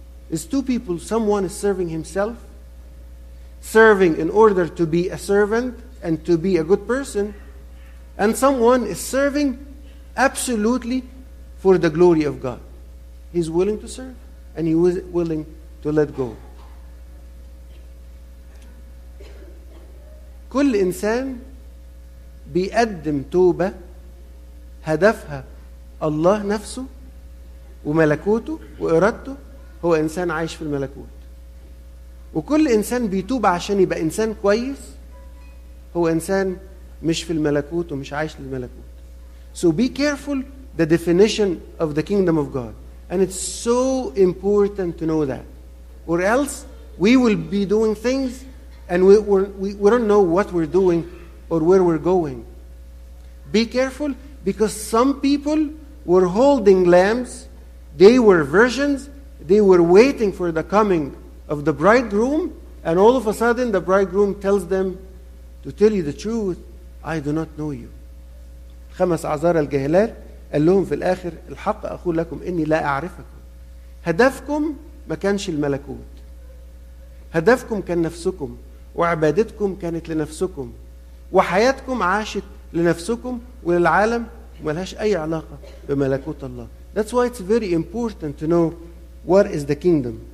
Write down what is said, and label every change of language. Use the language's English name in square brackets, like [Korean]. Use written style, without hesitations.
[English] Is two people, someone is serving himself, serving in order to be a servant and to be a good person, and someone is serving absolutely for the glory of God. He's willing to serve and he was willing to let go. [Arabic] كل إنسان بيقدم توبة هدفها الله نفسه وملكوته وإرادته هو إنسان عايش في الملكوت. وكل إنسان بيتوب عشان يبقى إنسان كويس هو إنسان مش في الملكوت ومش عايش للملكوت. [English] So be careful the definition of the kingdom of God. And it's so important to know that. Or else we will be doing things and we don't know what we're doing or where we're going. Be careful, because some people were holding lamps. They were virgins. They were waiting for the coming of the bridegroom, and all of a sudden the bridegroom tells them, to tell you the truth, I do not know you. [Arabic] خمس عذار الجاهلات قال لهم في الآخر الحق أقول لكم إني لا أعرفكم. هدفكم ما كانش الملكوت. هدفكم كان نفسكم وعبادتكم كانت لنفسكم وحياتكم عاشت لنفسكم وللعالم ملهاش أي علاقة بملكوت الله. [English] That's why it's very important to know what is the kingdom.